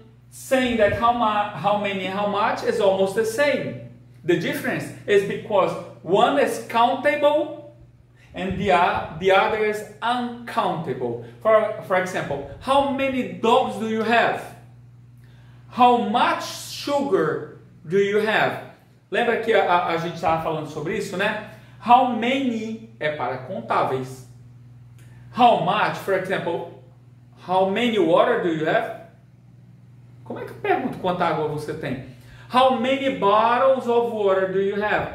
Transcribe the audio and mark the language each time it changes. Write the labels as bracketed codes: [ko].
[en] Saying that how many and how much is almost the same. The difference is because one is countable and the other is uncountable. For example, how many dogs do you have? How much sugar do you have? [pt] Lembra que a gente estava falando sobre isso, né? How many é para contáveis. [en] How much, for example, how many water do you have? [pt] Como é que eu pergunto quanta água você tem? [en] How many bottles of water do you have?